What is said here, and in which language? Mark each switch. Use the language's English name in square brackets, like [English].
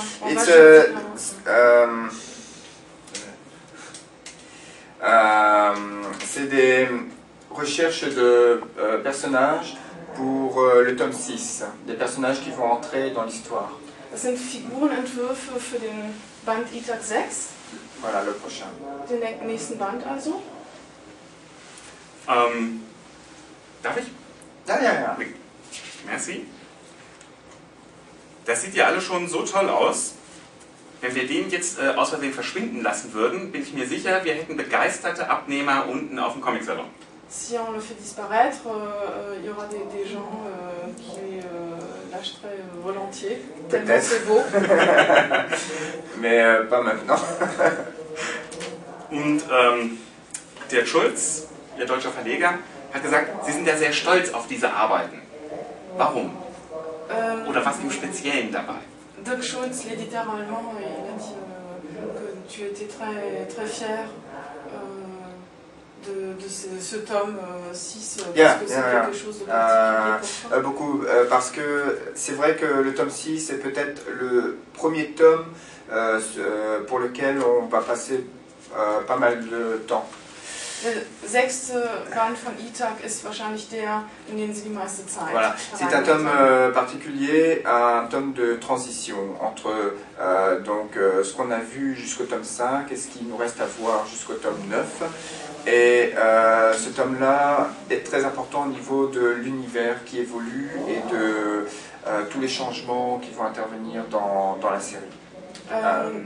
[English] it's a [French] c'est des recherches de personnages. Pour le tome 6, des personnages qui vont entrer dans l'histoire. [German] Das sind Figurenentwürfe für den Band Itak 6. [French] Voilà, le prochain. [German] Den nächsten Band also. Darf ich? Ja, ja, ja. [French] Merci. [German] Das sieht ja alle schon so toll aus. Wenn wir den jetzt aus Versehen verschwinden lassen würden, bin ich mir sicher, wir hätten begeisterte Abnehmer unten auf dem Comic-Salon. [French] Si on le fait disparaître, il y aura des gens qui l'achèteraient volontiers, peut-être. Tellement c'est beau. Mais pas maintenant. [German] Und Dirk Schulz, ihr deutscher Verleger, hat gesagt, Sie sind ja sehr stolz auf diese Arbeiten. Warum? Oder was im Speziellen dabei? [French] Dirk Schulz, l'éditeur allemand, il a dit que tu étais très, très fier. De ce tome 6, parce que c'est quelque chose de particulier. Beaucoup, parce que c'est vrai que le tome 6 est peut-être le premier tome pour lequel on va passer pas mal de temps. Le [German] sechste Band von Itak ist wahrscheinlich der, in den Sie die meiste Zeit. [French] Voilà. C'est un tome particulier, un tome de transition entre donc, ce qu'on a vu jusqu'au tome 5 et ce qu'il nous reste à voir jusqu'au tome 9. Et ce tome-là est très important au niveau de l'univers qui évolue et de tous les changements qui vont intervenir dans la série.